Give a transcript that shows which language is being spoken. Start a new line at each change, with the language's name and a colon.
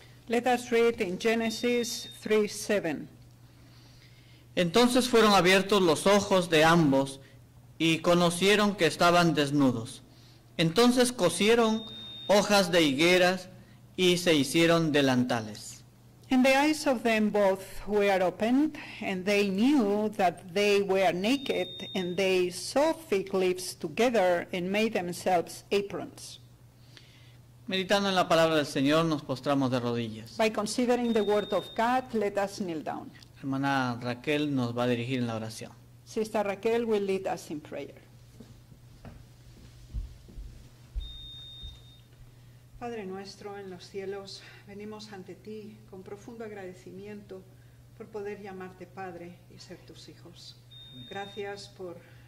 English: Let us read in Genesis 3, 7.
Spanish: Entonces fueron abiertos los ojos de ambos y conocieron que estaban desnudos. Entonces cosieron hojas de higueras y se hicieron delantales.
English: And the eyes of them both were opened, and they knew that they were naked, and they sewed fig leaves together and made themselves aprons.
Spanish: Meditando en la palabra del Señor, nos postramos de rodillas.
English: By considering the word of God, let us kneel down.
Spanish: Hermana Raquel nos va a dirigir en la oración.
English: Sister Raquel will lead us in prayer.
Spanish: Padre nuestro en los cielos, venimos ante ti con profundo agradecimiento por poder llamarte Padre y ser tus hijos. Gracias por